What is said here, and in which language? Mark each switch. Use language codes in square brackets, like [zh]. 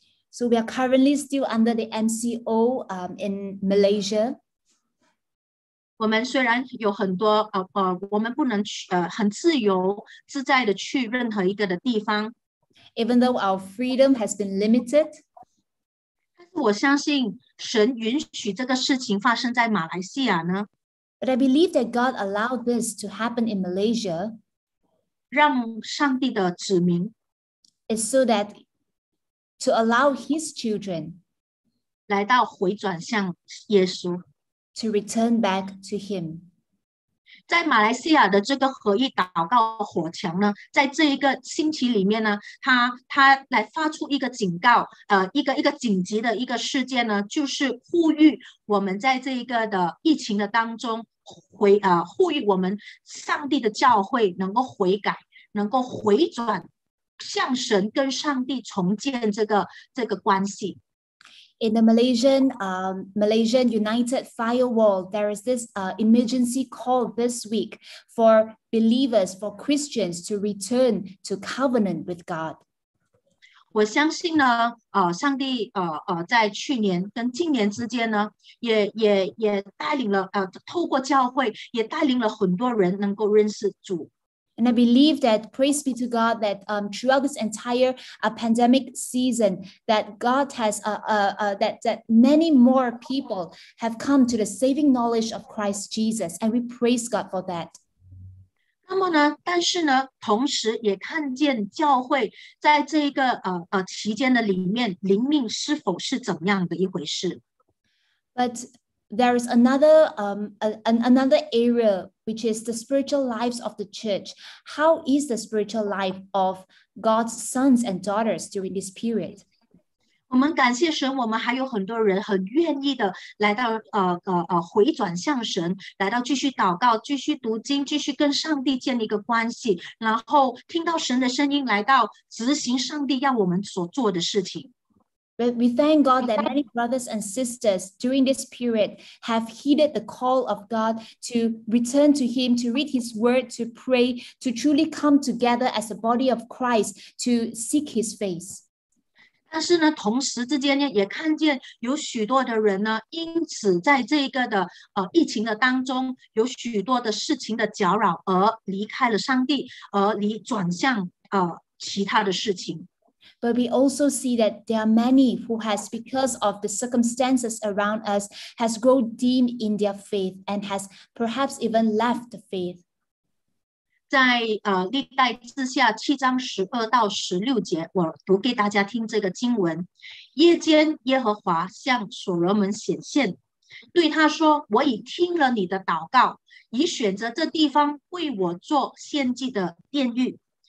[en] So we are currently still under the MCO in Malaysia. [zh] 我们虽然有很多我们不能去很自由自在的去任何一个的地方。 [en] Even though our freedom has been limited. [zh] 我相信神允许这个事情发生在马来西亚呢。 [en] But I believe that God allowed this to happen in Malaysia. [zh] 让上帝的子民 [en] is so that to allow His children [zh] 来到回转向耶稣 [en] to return back to Him. [zh] 在马来西亚的这个合一祷告火墙呢，在这一个星期里面呢，他来发出一个警告，一个紧急的一个事件呢，就是呼吁我们在这一个的疫情的当中呼吁我们上帝的教会能够悔改，能够回转向神，跟上帝重建这个关系。 [en] In the Malaysian United Firewall, there is this emergency call this week for believers, for Christians to return to covenant with God. [zh] 我相信呢，上帝在去年跟今年之间呢，也带领了透过教会，也带领了很多人能够认识主。 [en] And I believe that, praise be to God, that throughout this entire pandemic season, that God has, that many more people have come to the saving knowledge of Christ Jesus. And we praise God for that. [zh] 那么呢，但是呢，同时也看见教会在这个期间的里面，灵命是否是怎样的一回事。 [en] But there is another area, which is the spiritual lives of the church. How is the spiritual life of God's sons and daughters during this period? [zh] 我们感谢神，我们还有很多人很愿意的来到回转向神，来到继续祷告，继续读经，继续跟上帝建立一个关系，然后听到神的声音，来到执行上帝要我们所做的事情。 [en] But we thank God that many brothers and sisters during this period have heeded the call of God to return to Him, to read His word, to pray, to truly come together as a body of Christ, to seek His face. [zh] 但是呢，同时之间也看见有许多的人呢，因此在这个的疫情的当中，有许多的事情的搅扰而离开了上帝，而转向其他的事情。 [en] But we also see that there are many who has, because of the circumstances around us, has grown dim in their faith and has perhaps even left the faith. [zh] 在历代志下七章十二到十六节，我读给大家听这个经文。夜间耶和华向所罗门显现，对他说，我已听了你的祷告，已选择这地方为我做献祭的殿宇。